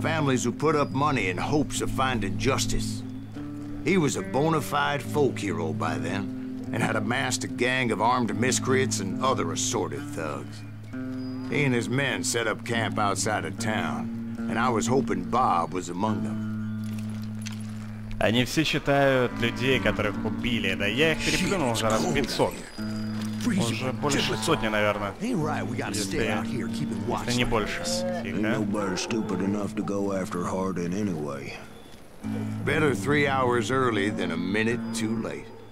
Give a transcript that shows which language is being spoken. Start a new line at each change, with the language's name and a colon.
English: Families who put up money in hopes of finding justice. He was a bona fide folk hero by then, and had amassed a gang of armed miscreants and other assorted thugs. He and his men set up camp outside of town. And I was hoping Bob was among them.
Russian: Они все считают людей, которых убили. Да я их переплюнул уже раз 500. Уже больше сотни, наверное. Если не больше.
English: Nobody stupid enough to go after Harden anyway. Better 3 hours early than a minute too late.